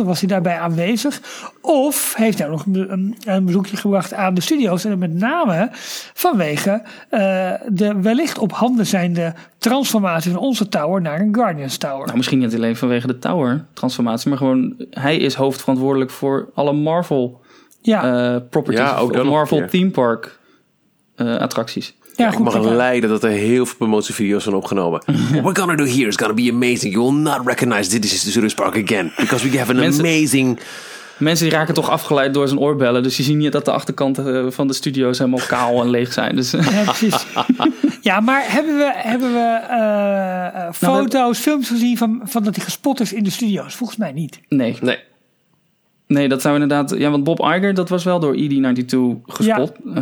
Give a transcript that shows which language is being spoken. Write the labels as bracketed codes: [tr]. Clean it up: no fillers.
[nl] Of was hij daarbij aanwezig? Of heeft hij nog een bezoekje gebracht aan de studio's en met name vanwege de wellicht op handen zijnde transformatie van onze tower naar een Guardians Tower. Nou, misschien niet alleen vanwege de tower transformatie, maar gewoon hij is hoofdverantwoordelijk voor alle Marvel properties, ook of Marvel theme park attracties. Ja, goed, ik mag leiden dat er heel veel promotievideo's zijn opgenomen. [en] What we're gonna do here is gonna be amazing. You will not recognize this is the Studios Park again because we have an amazing... [nl] mensen die raken toch afgeleid door zijn oorbellen. Dus je ziet niet dat de achterkanten van de studio's helemaal kaal en leeg zijn. Dus. Ja, precies. Ja, maar hebben we films gezien van dat hij gespot is in de studio's? Volgens mij niet. Nee. Nee. Nee, dat zou inderdaad... Ja, want Bob Iger, dat was wel door ED92 gespot. Ja.